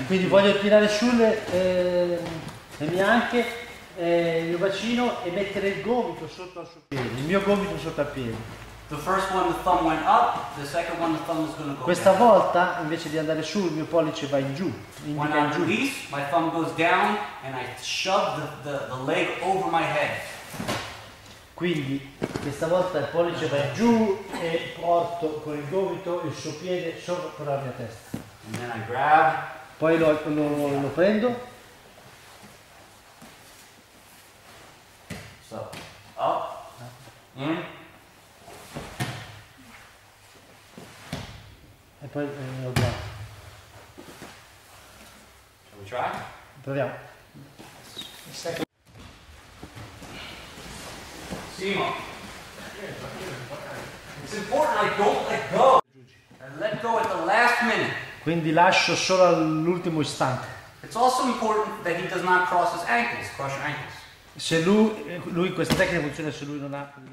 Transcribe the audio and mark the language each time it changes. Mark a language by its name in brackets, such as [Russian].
[Italian] Quindi voglio tirare su le mie anche, il mio bacino e mettere il gomito sotto al suo piede, il mio gomito sotto al piede. [English] The first one the thumb went up, the second one the thumb is going to go. [Italian] Questa volta invece di andare su il mio pollice va in giù, indica in giù. [English] When I release, my thumb goes down and I shove the leg over my head. [Italian] Quindi questa volta il pollice va giù e porto con il gomito il suo piede sopra la mia testa. [English] And then I grab. [Italian] Poi lo prendo. [English] So, up. In. [Italian] E poi lo grabo. [English] Shall we try? [Italian] Proviamo. [English] It's important I don't let go. I let go at the last minute. [Italian] Quindi lascio solo all'ultimo istante. [English] It's also important that he does not cross his ankles, crush your ankles. [Italian] Se lui questa tecnica funziona se lui non ha